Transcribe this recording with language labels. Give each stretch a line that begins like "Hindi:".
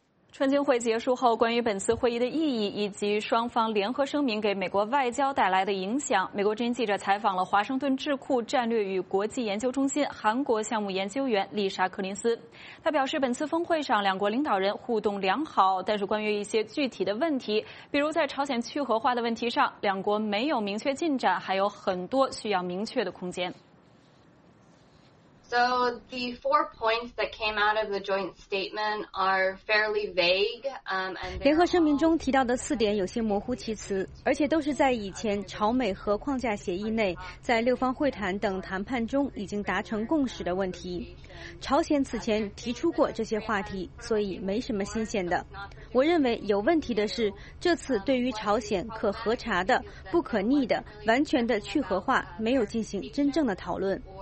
Chinese: 川金会结束后，关于本次会议的意义以及双方联合声明给美国外交带来的影响，美国之音记者采访了华盛顿智库战略与国际研究中心韩国项目研究员丽莎·柯林斯。他表示，本次峰会上两国领导人互动良好，但是关于一些具体的问题，比如在朝鲜去核化的问题上，两国没有明确进展，还有很多需要明确的空间。
English: So the 4 points that came out of the joint statement are fairly vague.
Chinese: 联合声明中提到的四点有些模糊其词，而且都是在以前朝美核框架协议内，在六方会谈等谈判中已经达成共识的问题。朝鲜此前提出过这些话题，所以没什么新鲜的。我认为有问题的是，这次对于朝鲜可核查的、不可逆的、完全的去核化没有进行真正的讨论。